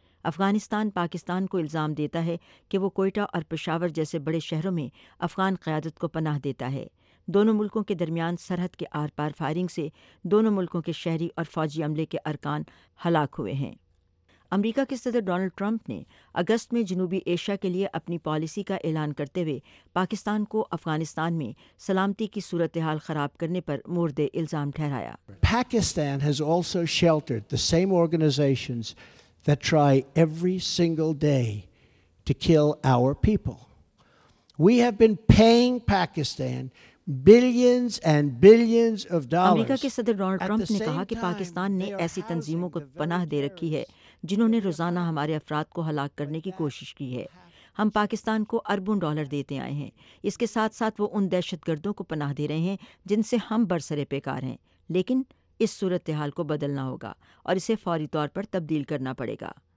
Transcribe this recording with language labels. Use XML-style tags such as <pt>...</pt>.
<ur>افغانستان پاکستان کو الزام دیتا ہے کہ وہ کوئٹہ اور پشاور جیسے بڑے شہروں میں افغان قیادت کو پناہ دیتا ہے۔ دونوں ملکوں کے درمیان سرحد کے آر پار فائرنگ سے دونوں ملکوں کے شہری اور فوجی عملے کے ارکان ہلاک ہوئے ہیں۔ امریکہ کے صدر ڈونلڈ ٹرمپ نے اگست میں جنوبی ایشیا کے لیے اپنی پالیسی کا اعلان کرتے ہوئے پاکستان کو افغانستان میں سلامتی کی صورتحال خراب کرنے پر مورد الزام ٹھہرایا۔</ur> <en>Pakistan has also sheltered the same organizations that try every single day to kill our people. We have been paying Pakistan billions and billions of dollars.</en> <ur>امریکہ کے صدر ڈونلڈ ٹرمپ نے کہا کہ پاکستان نے ایسی تنظیموں کو پناہ دے رکھی ہے جنہوں نے روزانہ ہمارے افراد کو ہلاک کرنے کی کوشش کی ہے۔ ہم پاکستان کو اربوں ڈالر دیتے آئے ہیں، اس کے ساتھ ساتھ وہ ان دہشت گردوں کو پناہ دے رہے ہیں جن سے ہم برسر پیکار ہیں، لیکن اس صورتحال کو بدلنا ہوگا اور اسے فوری طور پر تبدیل کرنا پڑے گا۔</ur>